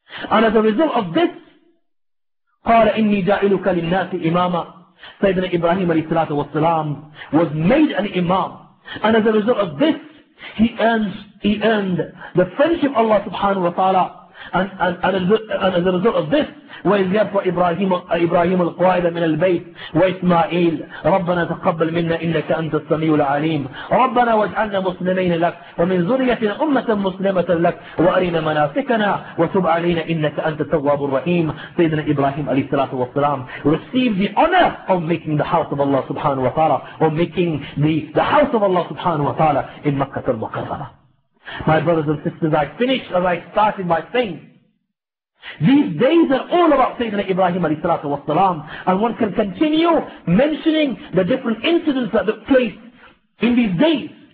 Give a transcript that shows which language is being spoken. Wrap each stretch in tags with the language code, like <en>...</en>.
<en>And as a result of this,</en> <ar>قَالَ إِنِّي جَعِلُكَ لِلنَّاسِ إِمَامًا.</ar> <en>Sayyidina Ibrahim alayhi salatu wasalam was made an imam. And as a result of this, he earned the friendship of Allah subhanahu wa ta'ala. And as a result of this,</en> <ar>وَإِذْ يَرْفَعُ إِبْرَاهِيمُ الْقَوَاعِدَ مِنَ الْبَيْتِ وَإِسْمَاعِيلُ رَبَّنَا تَقَبَّلْ مِنَّا إِنَّكَ أَنْتَ السَّمِيعُ الْعَلِيمُ رَبَّنَا وَاجْعَلْنَا مُسْلِمِينَ لَكَ وَمِنْ ذُرِّيَّتِنَا أُمَّةً مُسْلِمَةً لَكَ وَأَرِنَا مَنَاسِكَنَا وَتُبْ عَلَيْنَا إِنَّكَ أَنْتَ التَّوَّابُ الرَّحِيمُ. سيدنا إبراهيم عليه الصلاة والسلام</ar> <en>received the honor of making the house of Allah subhanahu wa ta'ala, of making the house of Allah subhanahu wa ta'ala in Makkah al-Mukarrama. My brothers and sisters, I finished as I started by saying, these days are all about Sayyidina Ibrahim alayhi salatu wasalam, and one can continue mentioning the different incidents that took place in these days.</en>